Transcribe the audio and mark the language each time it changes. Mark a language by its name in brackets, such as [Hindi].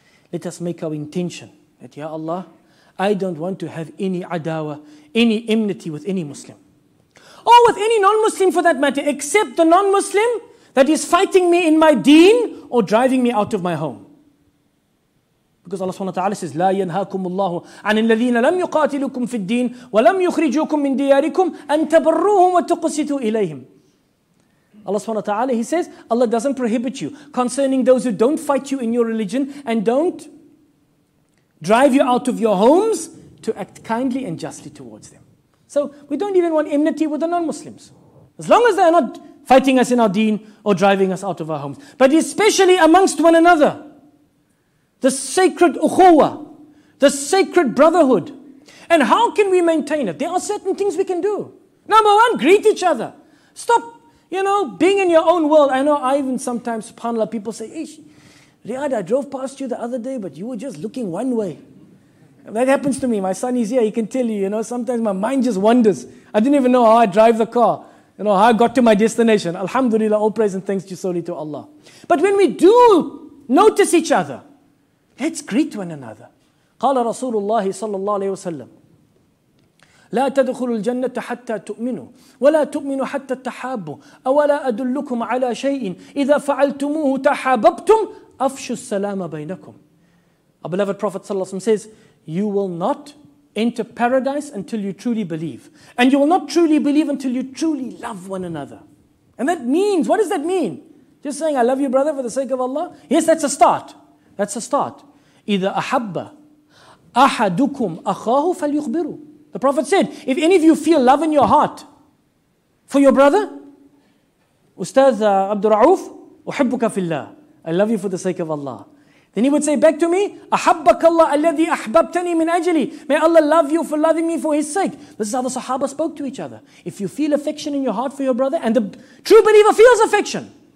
[English] Let us make our intention that, Ya Allah, I don't want to have any adawah, any enmity with any Muslim. Or with any non-Muslim for that matter, except the non-Muslim that is fighting me in my deen or driving me out of my home. Because Allah subhanahu wa ta'ala says, [Arabic] لَا يَنْهَاكُمُ اللَّهُ عَنِ الَّذِينَ لَمْ يُقَاتِلُكُمْ فِي الدِّينِ وَلَمْ يُخْرِجُوكُمْ مِنْ دِيَارِكُمْ أَنْ تَبَرُّوهُمْ وَتُقْسِطُوا إِلَيْهِمْ. [English] Allah subhanahu wa ta'ala, He says, Allah doesn't prohibit you concerning those who don't fight you in your religion and don't drive you out of your homes to act kindly and justly towards them. So we don't even want enmity with the non-Muslims. As long as they are not fighting us in our deen or driving us out of our homes. But especially amongst one another. The sacred ukhuwah, the sacred brotherhood. And how can we maintain it? There are certain things we can do. Number one, greet each other. Stop, you know, being in your own world. I know I even sometimes, subhanAllah, people say, Ish, Riyad, I drove past you the other day, but you were just looking one way. That happens to me. My son is here. He can tell you, you know, sometimes my mind just wanders. I didn't even know how I drive the car. You know, how I got to my destination. Alhamdulillah, all praise and thanks to solely to Allah. But when we do notice each other, let's greet one another. [Arabic] قال رسول الله صلى الله عليه وسلم لا تدخل الجنة حتى تؤمنوا ولا تؤمنوا حتى تحابوا أولا أدلكم على شيء إذا فعلتموه تحاببتم أفشوا السلام بينكم. [English] Our beloved Prophet [Arabic] صلى الله عليه وسلم [English] says, you will not enter paradise until you truly believe. And you will not truly believe until you truly love one another. And that means, what does that mean? Just saying, I love you, brother, for the sake of Allah? Yes, that's a start. That's a start. [Arabic] إِذَا أَحَبَّ أَحَدُكُمْ أَخَاهُ فَلْيُخْبِرُ. [English] The Prophet said, if any of you feel love in your heart for your brother, Ustaz Abdul Ra'uf, [Arabic] أُحِبُّكَ فِي اللَّهِ. [English] I love you for the sake of Allah. Then he would say back to me, [Arabic] أَحَبَّكَ اللَّهُ أَلَّذِي أَحْبَبْتَنِي مِنْ أَجْلِي. [English] May Allah love you for loving me for His sake. This is how the Sahaba spoke to each other. If you feel affection in your heart for your brother, and the true believer feels affection,